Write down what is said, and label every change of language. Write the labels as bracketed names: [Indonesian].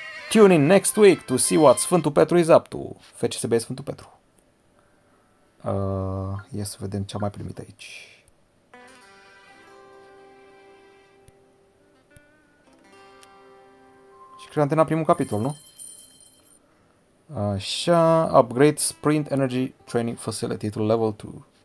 [English] Tune in next week to see what Sfântul Petru is up to. [Romanian] FCSB Sfântul Petru. Ia să vedem ce am mai primit aici. Și cred că am terminat primul capitol, nu? [English] Așa, upgrade sprint energy training facility to level 2.